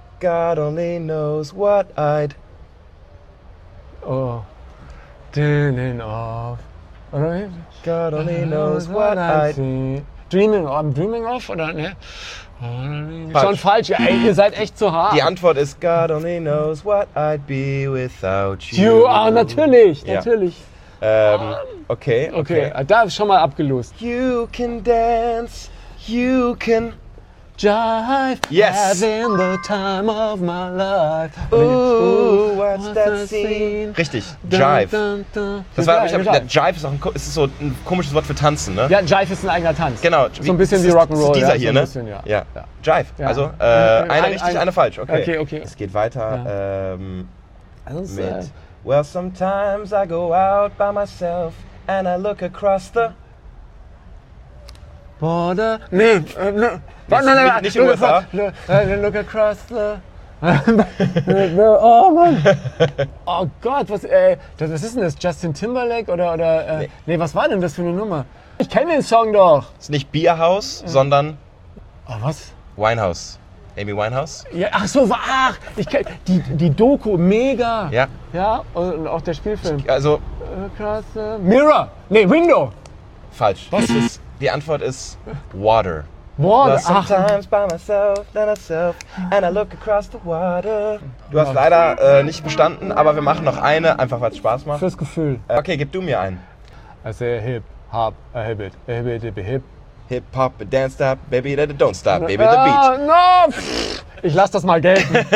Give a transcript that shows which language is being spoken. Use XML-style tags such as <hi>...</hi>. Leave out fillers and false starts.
<en>God only knows what I'd... Oh. Dealing off.</en> <de>Oder wie?</de> <en>God only knows what I'd... Dreaming of, I'm dreaming of,</en> <de>oder ne? Schon falsch, ey, ihr seid echt zu hart. Die Antwort ist,</de> <en>God only knows what I'd be without you. You are,</en> <de>natürlich, ja. natürlich. Okay. Da ist schon mal abgelost.</de> <en>You can dance, you can... Jive, yes. having the time of my life. Ooh, what's that scene? Richtig, Jive. Dun, dun, dun.</en> <de>Das war, ja, Jive ist auch ist so ein komisches Wort für Tanzen, ne? Ja, Jive ist ein eigener Tanz. Genau. So ein bisschen wie Rock'n'Roll. Das ist dieser hier, so ein ne? Bisschen, ja. ja. Jive. Ja. Also, eine richtig, eine falsch. Okay, okay. okay. Es geht weiter ja.</de> <en>Mit Well, sometimes I go out by myself and I look across the Border.</en> <de>Nicht USA.</de> <en>Look across the. Oh Mann.</en> <de>Oh Gott, was ist denn das? Justin Timberlake oder nee, was war denn das für eine Nummer? Ich kenne den Song doch. Ist nicht Bierhaus, sondern. Oh, was? Winehouse. Amy Winehouse? Ja, ach so, ach, ich kenne die Doku, mega. Ja. Ja, und auch der Spielfilm. Also.</de> <en>Across the. Mirror. Nee, Window.</en> <de>Falsch. Was ist? Die Antwort ist Water. Water?</de> <en>Sometimes by myself, by myself, and I look across the water.</en> <de>Du hast leider nicht bestanden, aber wir machen noch eine, einfach weil es Spaß macht. Fürs Gefühl. Okay, gib du mir einen.</de> <en>I say hip, hop, a habit, a habit, a hip, Hip Hop, Dance Stop, Baby, Don't Stop, Baby, the Beat.</en> <de>No! Ich lass das mal gelten.</de>